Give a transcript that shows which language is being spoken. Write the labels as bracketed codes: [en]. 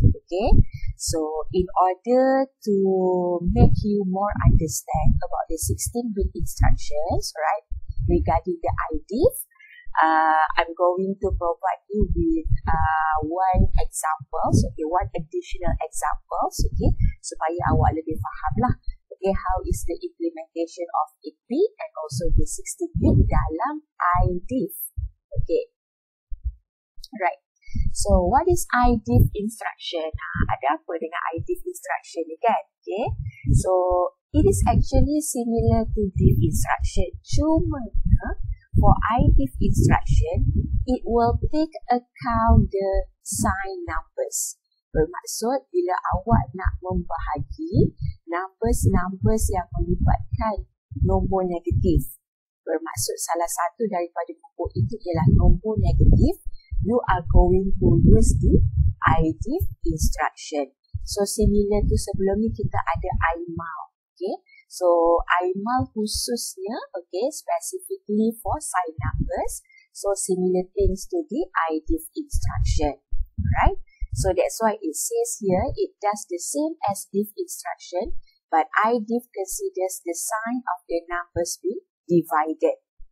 [en] Okay, so in order to make you more understand about the 16-bit instructions, right, regarding the IDIF, I'm going to provide you with one examples, okay, one additional examples, okay, [ms] supaya awak lebih faham lah, [en] okay, how is the implementation of 8-bit and also the 16-bit dalam IDIF. Okay, right. So, what is IDIF instruction? [ms] Ada apa dengan IDIF instruction ni kan? [en] Okay, so it is actually similar to DIF instruction. Cuma for IDIF instruction, it will take account the sign numbers. [ms] Bermaksud bila awak nak membahagi numbers-numbers yang melibatkan nombor negatif. Bermaksud salah satu daripada buku itu ialah nombor negatif, [en] you are going to use the IDIF instruction. [ms] So, similar tu sebelum ni kita ada IMAL. Okay. [en] So, IMAL khususnya, okay, specifically for sign numbers. So, similar things to the IDIF instruction. Right? So, that's why it says here, it does the same as DIF instruction, but IDIF considers the sign of the numbers being divided.